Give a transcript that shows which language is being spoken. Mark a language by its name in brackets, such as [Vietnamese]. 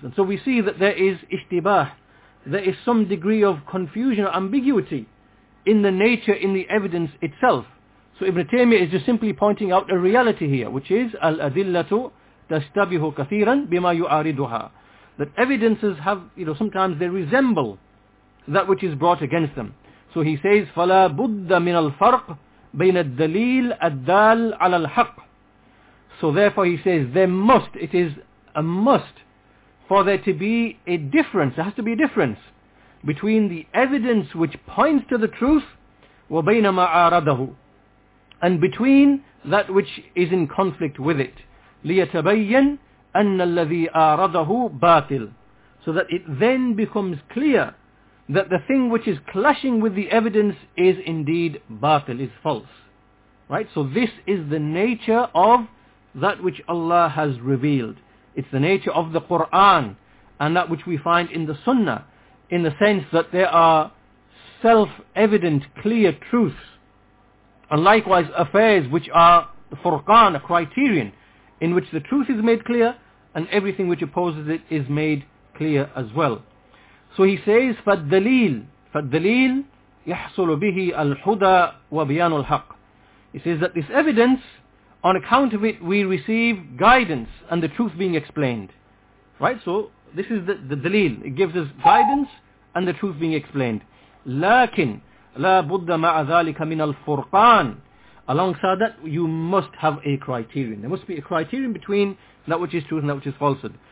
[English] And so we see that there is ishtibah, there is some degree of confusion or ambiguity in the nature, in the evidence itself. So Ibn Taymiyyah is just simply pointing out a reality here, which is al-adillatu [Arabic] تَشْتَبِهُ كَثِيرًا بِمَا يُعَارِدُهَا. [English] that evidences have, you know, sometimes they resemble that which is brought against them. So he says, [Arabic] فَلَا بُدَّ مِنَ الْفَرْقِ بَيْنَ الدَّلِيلِ الدَّالِ عَلَى الْحَقِّ. [English] So therefore he says, there must, it is a must, for there to be a difference, there has to be a difference, between the evidence which points to the truth, [Arabic] وَبَيْنَ مَا عَارَضَهُ, [English] and between that which is in conflict with it. [Arabic] لِيَتَبَيَّنْ أَنَّ الَّذِي عَارَضَهُ بَاطِلٌ. [English] So that it then becomes clear that the thing which is clashing with the evidence is indeed batil, is false. Right? So this is the nature of that which Allah has revealed. It's the nature of the Qur'an and that which we find in the Sunnah, in the sense that there are self-evident, clear truths, and likewise affairs which are the furqan, a criterion, in which the truth is made clear and everything which opposes it is made clear as well. So he says, [Arabic] فَالدَّلِيلِ يَحْصُلُ بِهِ الْحُدَى وَبِيَانُ الْحَقِّ. [English] He says that this evidence, on account of it we receive guidance and the truth being explained. Right? So this is the dalil. It gives us guidance and the truth being explained. [Arabic] لَكِنْ لَا بُدَّ مَعَ ذَلِكَ مِنَ الْفُرْقَانِ. [English] Alongside that, you must have a criterion. There must be a criterion between that which is truth and that which is falsehood.